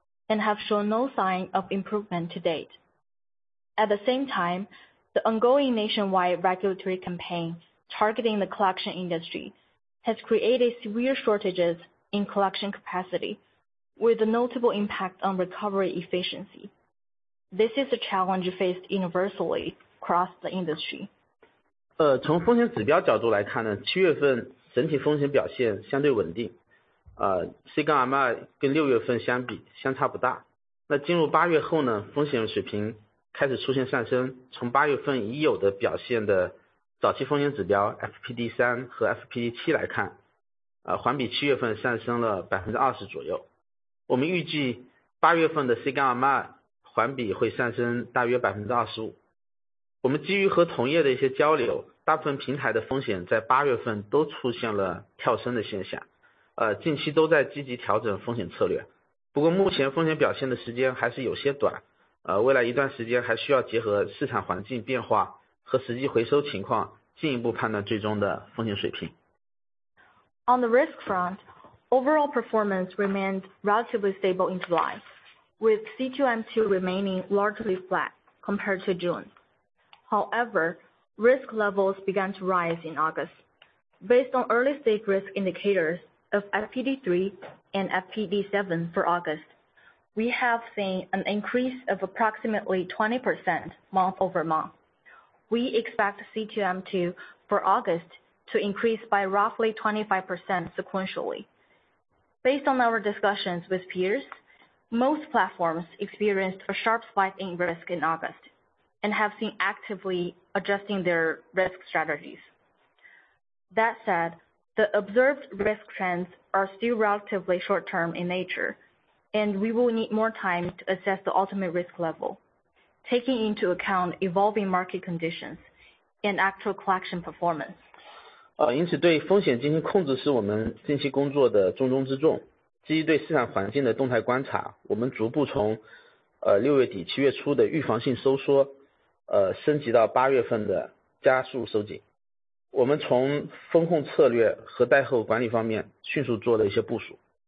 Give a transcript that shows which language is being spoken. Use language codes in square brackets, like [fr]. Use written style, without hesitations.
[en] And have shown no sign of improvement to date. At the same time, the ongoing nationwide regulatory campaign targeting the collection industry has created severe shortages in collection capacity with a notable impact on recovery efficiency. This is a challenge faced universally across the industry. [zh] 从风险指标角度来看呢，七月份整体风险表现相对稳定。 C-M2 跟六月份相比相差不大，那进入八月后呢，风险水平开始出现上升，从八月份已有的表现的早期风险指标 FPD3 和 FPD7 来看，环比七月份上升了20%左右。我们预计八月份的 C-M2 环比会上升大约25%。我们基于和同业的一些交流，大部分平台的风险在八月份都出现了跳升的现象。近期都在积极调整风险策略，不过目前风险表现的时间还是有些短，未来一段时间还需要结合市场环境变化和实际回收情况进一步判断最终的风险水平。 [en] On the risk front, overall performance remained relatively stable in July, with C2M2 remaining largely flat compared to June. However, risk levels began to rise in August. Based on early stage risk indicators,of FPD3 and FPD7 for August, we have seen an increase of approximately 20% month over month. We expect C2M2 for August to increase by roughly 25% sequentially. Based on our discussions with peers, most platforms experienced a sharp spike in risk in August and have seen actively adjusting their risk strategies. That said,The observed risk trends are still relatively short-term in nature, and we will need more time to assess the ultimate risk level, taking into account evolving market conditions and actual collection performance. [zh] 因此对风险进行控制是我们近期工作的重中之重。基于对市场环境的动态观察，我们逐步从六月底七月初的预防性收缩，升级到八月份的加速收紧。我们从风控策略和贷后管理方面迅速做了一些部署。